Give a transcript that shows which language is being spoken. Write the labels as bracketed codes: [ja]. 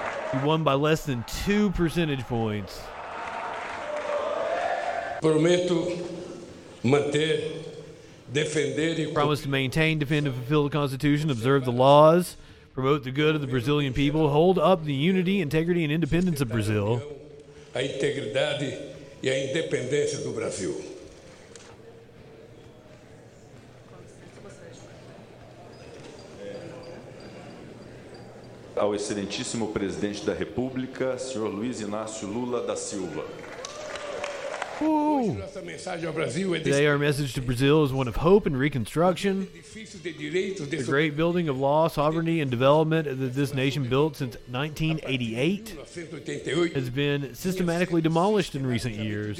[en] He won by less than 2 percentage points. [pt] Prometo manter, defender e... [en] Promise to maintain, defend, and fulfill the Constitution, observe the laws, promote the good of the Brazilian people, hold up the unity, integrity, and independence of Brazil. [pt] A integridade e a independência do Brasil. Ao excelentíssimo presidente da República, senhor Luiz Inácio Lula da Silva. [en] Today our message to Brazil is one of hope and reconstruction. The great building of law, sovereignty, and development that this nation built since 1988 has been systematically demolished in recent years.